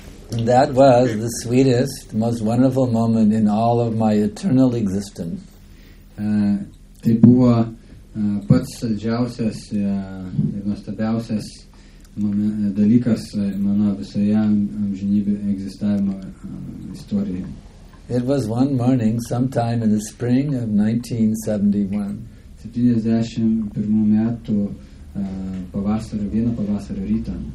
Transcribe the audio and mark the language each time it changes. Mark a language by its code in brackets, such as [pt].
[en] That was the sweetest, most wonderful moment in all of my eternal existence. [lt] Tai buvo pats saldžiausias ir nuostabiausias dalykas mano visoje amžinybė egzistavimo istorijoje. [en] It was one morning, sometime in the spring of 1971. [lt] 71 metų pavasario, vieną pavasario rytą.